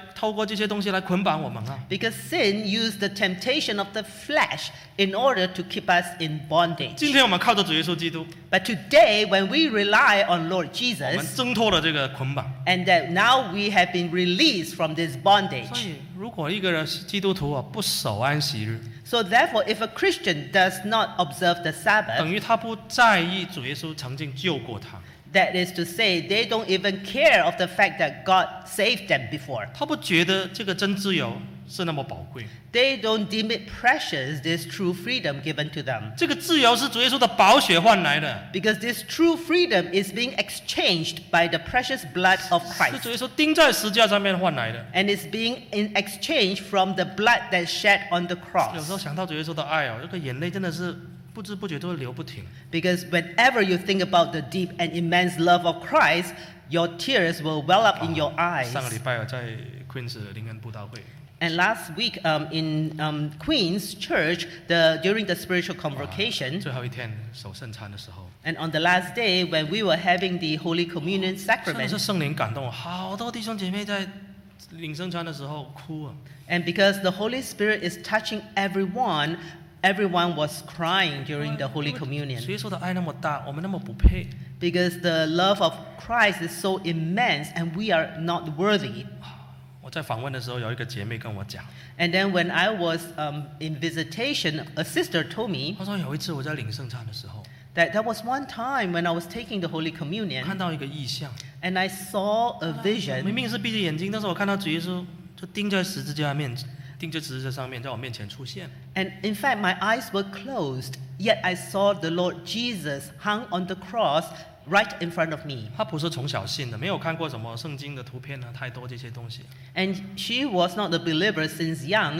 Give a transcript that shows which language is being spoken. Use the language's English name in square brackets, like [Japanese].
[Chinese] 罪用我们的肉体的软弱，我们的私欲来透过这些东西来捆绑我们啊。 [English] Because sin used the temptation of the flesh in order to keep us in bondage. [Chinese] 今天我们靠着主耶稣基督。 [English] But today, when we rely on Lord Jesus, [Chinese] 我们挣脱了这个捆绑。 [English] And that now we have been released from this bondage. [Chinese] 所以，如果一个人基督徒啊不守安息日。 [English] So therefore, if a Christian does not observe the Sabbath, [Chinese] 等于他不在意主耶稣曾经救过他。 [English] That is to say, they don't even care of the fact that God saved them before. [Chinese] 他不觉得这个真自由是那么宝贵。 [English] They don't deem it precious, this true freedom given to them. [Chinese] 这个自由是主耶稣的宝血换来的。 [English] Because this true freedom is being exchanged by the precious blood of Christ. [Chinese] 是主耶稣钉在十字架上面换来的。 [English] And it's being in exchange from the blood that shed on the cross. [Chinese] 有时候想到主耶稣的爱哦， 这个眼泪真的是 不知不觉都流不停。 [English] Because whenever you think about the deep and immense love of Christ, your tears will well up in your eyes. [Chinese] 上个礼拜在 Queen's 灵恩布道会。 [English] And last week in Queen's Church, during the spiritual convocation, [Chinese] 最后一天守圣餐的时候， [English] And on the last day when we were having the Holy Communion sacrament, [Chinese] 真的是圣灵感动，好多弟兄姐妹在 领圣餐的时候哭啊。 [English] And because the Holy Spirit is touching everyone, everyone was crying during the Holy Communion. [Chinese] 主耶稣的爱那么大，我们那么不配。 [English] Because the love of Christ is so immense and we are not worthy. [Chinese] 我在访问的时候有一个姐妹跟我讲， [English] And then when I was in visitation, a sister told me, [Chinese] 她说有一次我在领圣餐的时候， [English] That was one time when I was taking the Holy Communion. [Chinese] 看到一个异象， [English] And I saw a vision. [Chinese] 明明是闭着眼睛，但是我看到主耶稣就钉在十字架面， 钉在十字架上面，在我面前出现。 [English] And in fact, my eyes were closed, yet I saw the Lord Jesus hung on the cross right in front of me. [Chinese] 她不是从小信的，没有看过什么圣经的图片啊，太多这些东西。 [English] And she was not a believer since young.